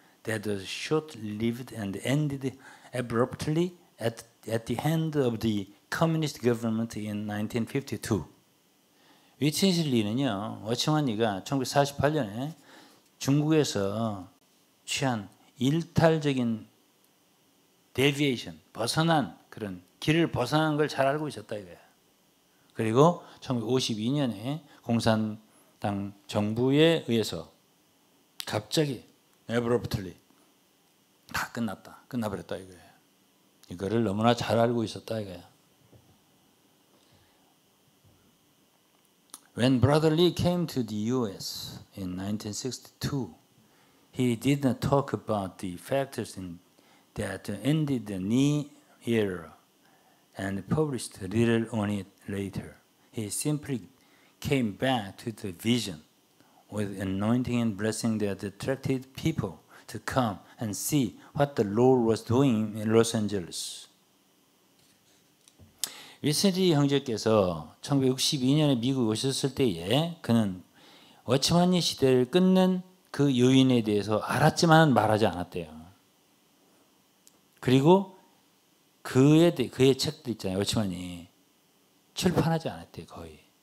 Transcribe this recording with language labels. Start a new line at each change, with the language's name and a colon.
English: That was short-lived and ended abruptly at the hand of the communist government in 1952.
Korean: 위친슬리는요, 워치만이가 1948년에 중국에서 취한 일탈적인 deviation, 벗어난 그런 길을 벗어난 걸 잘 알고 있었다 이거야. 그리고 1952년에 공산당 정부에 의해서 갑자기 abruptly 다 끝나버렸다 이거야. 이거를 너무나 잘 알고 있었다 이거야.
English: When Brother Lee came to the U.S. in 1962, he did not talk about the factors that ended the Nee era and published a little on it later. He simply came back to the vision with anointing and blessing that attracted people to come and see what the Lord was doing in Los Angeles.
Korean: 위슬리 형제께서 1962년에 미국에 오셨을 때에 그는 워치만니 시대를 끝낸 그 요인에 대해서 알았지만 말하지 않았대요. 그리고 그의 책들 있잖아요. 어치만이 출판하지 않았대요. 거의.